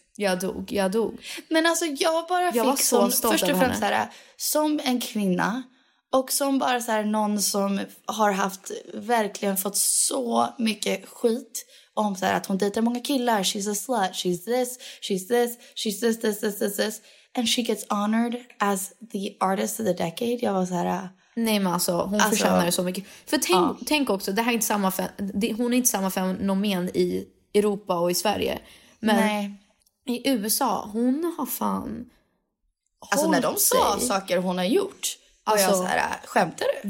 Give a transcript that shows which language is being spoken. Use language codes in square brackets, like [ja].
[sv] Jag dog. Men alltså jag bara fick som, först och främst såhär, som en kvinna. Och som bara så här någon som har haft, verkligen fått så mycket skit. Om så här, att hon dejtar många killar. [en] She's a slut. She's this. And she gets honored as the artist of the decade. [sv] Jag var så här... Nej men alltså, hon förtjänar det så mycket. För tänk också, det här är inte samma hon är inte samma fenomen i Europa och i Sverige. Men i USA, hon har fan... Alltså när de sa saker hon har gjort... Alltså, och jag så här, skämtar du?